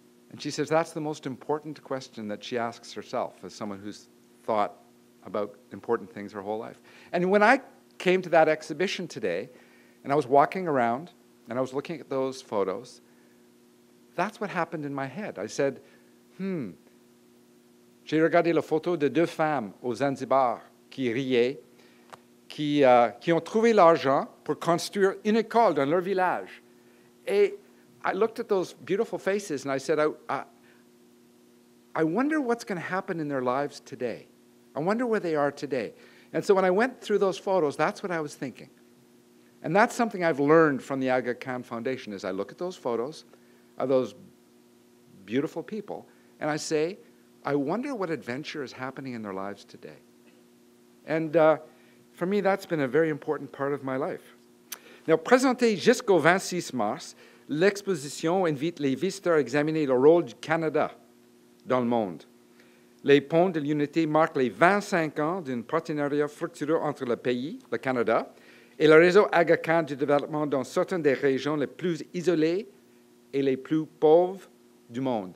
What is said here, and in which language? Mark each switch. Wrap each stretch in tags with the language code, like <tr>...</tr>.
<en>And she says, that's the most important question that she asks herself as someone who's thought about important things her whole life. And when I came to that exhibition today, and I was walking around, and I was looking at those photos, that's what happened in my head. I said,</en> <fr>j'ai regardé la photo de deux femmes au Zanzibar qui riaient, qui ont trouvé l'argent pour construire une école dans leur village.</fr> <en>Et I looked at those beautiful faces and I said, I wonder what's going to happen in their lives today. I wonder where they are today. And so when I went through those photos, that's what I was thinking. And that's something I've learned from the Aga Khan Foundation, is I look at those photos of those beautiful people, and I say, I wonder what adventure is happening in their lives today. And for me, that's been a very important part of my life.</en> <fr>Now, présenté jusqu'au 26 mars, l'exposition invite les visiteurs à examiner le rôle du Canada dans le monde. Les ponts de l'unité marquent les 25 ans d'un partenariat fructueux entre le pays, le Canada, et le réseau Aga Khan du développement dans certaines des régions les plus isolées et les plus pauvres du monde.</fr>